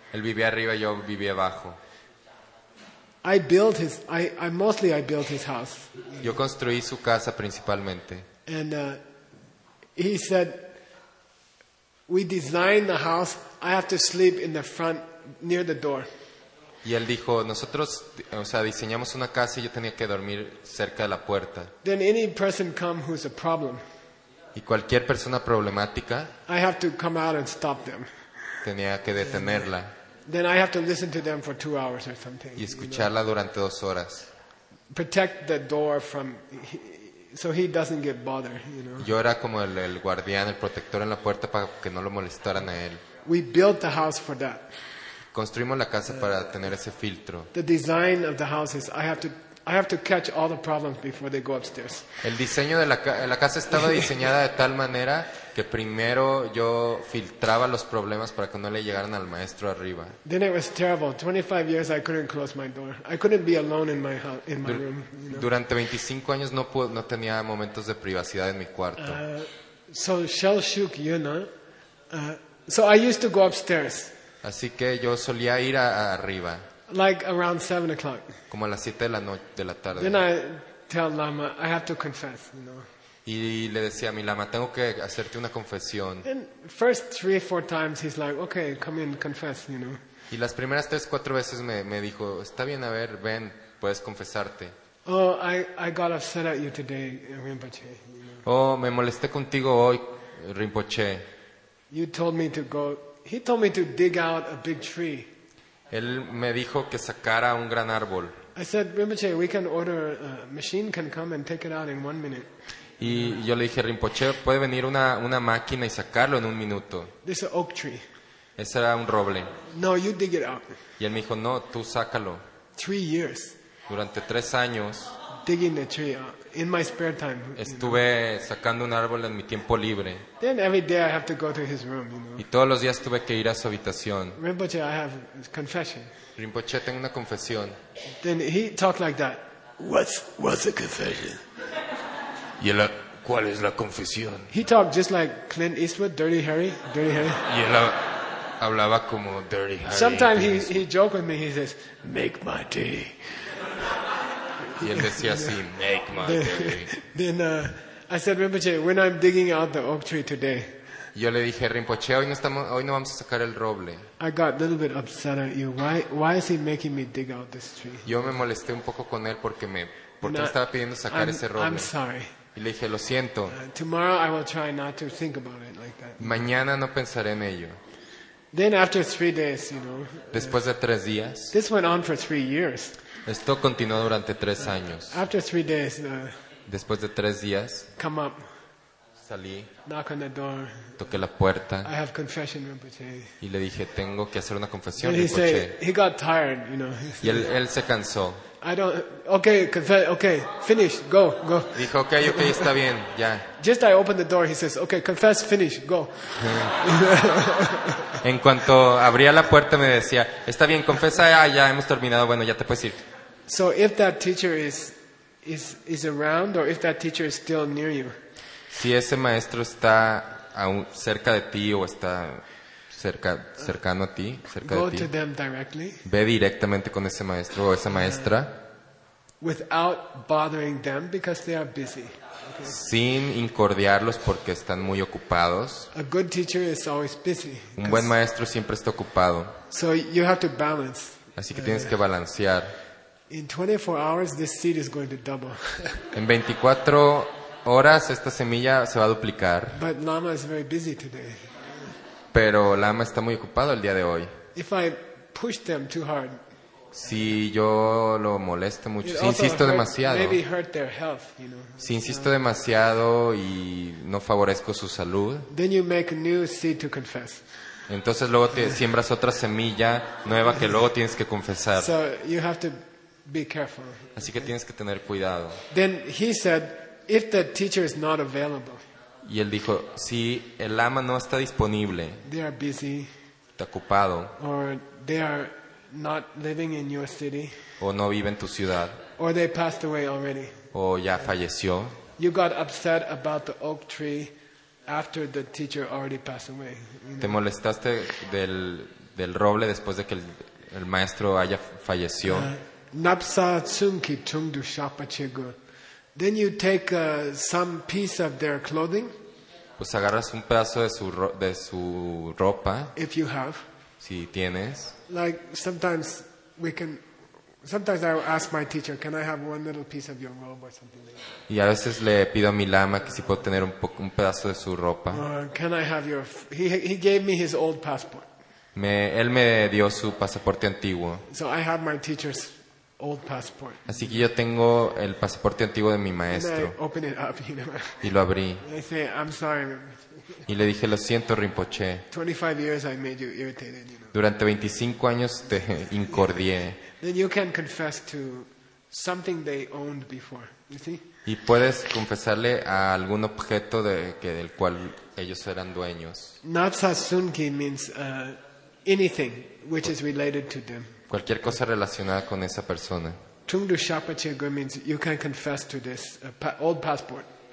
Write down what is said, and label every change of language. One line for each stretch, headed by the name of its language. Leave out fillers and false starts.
Spanish: Él vivía arriba, yo vivía abajo.
English: I built his house.
Spanish: Yo construí su casa principalmente.
English: And he said, "We designed the house. I have to sleep in the front near the door."
Spanish: Y él dijo, nosotros, o sea, diseñamos una casa y yo tenía que dormir cerca de la puerta.
English: Then any person come who's a problem.
Spanish: Y cualquier persona problemática.
English: I have to come out and stop them.
Spanish: Tenía que detenerla.
English: Then I have to listen to them for 2 hours or something.
Spanish: Y escucharla,
English: you know,
Spanish: durante 2 horas.
English: Protect the door from, so he doesn't get bothered, you know.
Spanish: Yo era como el guardián, el protector en la puerta para que no lo molestaran a él.
English: We built the house for that.
Spanish: Construimos la casa para tener ese filtro.
English: The design of the house is I have to catch all the problems before they go upstairs.
Spanish: El diseño de la casa estaba diseñada de tal manera que primero yo filtraba los problemas para que no le llegaran al maestro arriba.
English: Then it was terrible. 25 years I couldn't close my door. I couldn't be alone in my house, in my room. You know?
Spanish: Durante 25 años no tenía momentos de privacidad en mi cuarto.
English: So
Tibetan: Shelshuk Yuna.
English: So I used to go upstairs.
Spanish: Así que yo solía ir a arriba.
English: Like around 7 o'clock.
Spanish: Como a las 7 de la tarde.
English: Then I tell Lama, I have to confess, you know.
Spanish: Y le decía a mi lama, tengo que hacerte una confesión.
English: And first 3-4 times he's like, okay, come in, confess, you know.
Spanish: Y las primeras 3-4 veces me dijo, está bien, a ver, ven, puedes confesarte.
English: Oh, I got upset at you today, Rinpoche. You know.
Spanish: Oh, me molesté contigo hoy, Rinpoche.
English: You told me to go. He told me to dig out a big tree.
Spanish: Él me dijo que sacara un gran árbol.
English: I said, "Rinpoche, we can order a machine can come and take it out in 1 minute."
Spanish: Y yo le dije, "Rinpoche, puede venir una máquina y sacarlo en 1 minuto."
English: This is an oak tree.
Spanish: Ese era un roble.
English: No, you dig it out.
Spanish: Y él me dijo, "No, tú sácalo."
English: 3 years.
Spanish: Durante 3 años.
English: Digging the tree out. in my spare time.
Spanish: Estuve sacando un árbol en mi tiempo libre.
English: Then every day I have to go to his room, you know.
Spanish: Y todos los días tuve que ir a su habitación.
English: Rinpoche, I have confession.
Spanish: Rinpoche, tengo una confesión.
English: Then he talked like that. What's a confession?
Spanish: Y él, ¿cuál es la confesión?
English: He talked just like Clint Eastwood, Dirty Harry, Dirty Harry.
Spanish: Y él hablaba como Dirty Harry.
English: Sometimes he joked with me. He says, "Make my day."
Spanish: Y él decía así,
English: "Make my day." Then I said, "Rinpoche, when I'm digging out the oak tree today."
Spanish: Yo le dije, "Rinpoche, hoy no vamos a sacar el roble."
English: I got a little bit upset at you. Why is he making me dig out this tree?
Spanish: Yo me molesté un poco con él porque me estaba pidiendo sacar ese roble.
English: I'm sorry.
Spanish: Y le dije, "Lo siento."
English: Tomorrow I will try not to think about it like that.
Spanish: Mañana no pensaré en ello.
English: Then after 3 days, you know.
Spanish: Después de 3 días.
English: This went on for 3 years.
Spanish: Esto continuó durante 3 años.
English: After 3 days.
Spanish: Después de 3 días.
English: Come up.
Spanish: Salí.
English: Knock on the door.
Spanish: Toqué la puerta.
English: I have confession, Rinpoche.
Spanish: Y le dije, tengo que hacer una confesión,
English: Rinpoche. He said, he got tired, you know.
Spanish: Y él se cansó.
English: I don't. Okay, confess. Okay, finish. Go.
Spanish: Dijo, okay, está bien, ya.
English: Just I opened the door, he says, okay, confess, finish, go.
Spanish: En cuanto abría la puerta, me decía, está bien, confesa, ya hemos terminado, bueno, ya te puedes ir.
English: So if that teacher is around, or if that teacher is still near you.
Spanish: Si ese maestro está cerca de ti o está cercano a ti, cerca
English: go
Spanish: de ti.
English: To them directly,
Spanish: ve directamente con ese maestro o esa maestra.
English: Without bothering them because they are busy. Okay?
Spanish: Sin incordiarlos porque están muy ocupados.
English: A good teacher is always busy.
Spanish: Un buen maestro siempre está ocupado.
English: So you have to balance.
Spanish: Así que tienes que balancear.
English: In 24 hours this seed is going to double.
Spanish: En 24 horas esta semilla se va a duplicar.
English: But Lama is very busy today.
Spanish: Pero Lama está muy ocupado el día de hoy.
English: If I push them too hard,
Spanish: si yo lo molesto mucho, si insisto demasiado,
English: maybe hurt their health, you know.
Spanish: Si insisto demasiado y no favorezco su salud,
English: then you make a new seed to confess.
Spanish: Entonces luego te siembras otra semilla nueva que luego tienes que confesar.
English: So you have to be careful.
Spanish: Así que tienes que tener cuidado.
English: Then he said, if the teacher is not available,
Spanish: y él dijo, si el ama no está disponible,
English: they are busy,
Spanish: está ocupado,
English: or they are not living in your city,
Spanish: o no vive en tu ciudad,
English: or they passed away already,
Spanish: o ya falleció,
English: you got upset about the oak tree after the teacher already passed away, you know?
Spanish: Te molestaste del roble después de que el maestro haya falleció.
Tibetan: Napsa tsunki tungdu shapachigu.
English: Then you take some piece of their clothing.
Spanish: Pues agarras un pedazo de su ropa.
English: If you have.
Spanish: Si tienes.
English: Like sometimes we can. Sometimes I ask my teacher, can I have one little piece of your robe or something like that.
Spanish: Y a veces le pido a mi lama que si puedo tener un pedazo de su ropa.
English: Can I have your? He gave me his old passport.
Spanish: Él me dio su pasaporte antiguo.
English: So I have my teacher's old passport.
Spanish: Así que yo tengo el pasaporte antiguo de mi maestro.
English: And I opened it up, you know?
Spanish: Y lo abrí.
English: I say, I'm sorry, Rinpoche.
Spanish: Y le dije, lo siento, Rinpoche.
English: 25 years I made you irritated, you know?
Spanish: Durante 25 años te incordié.
English: Then you can confess to something they owned before, you see?
Spanish: Y puedes confesarle a algún objeto del cual ellos eran dueños.
English: Natsasunki means anything which is related to them.
Spanish: Cualquier cosa relacionada con esa persona.
English: Tungdu shapachigu means you can confess to this old passport.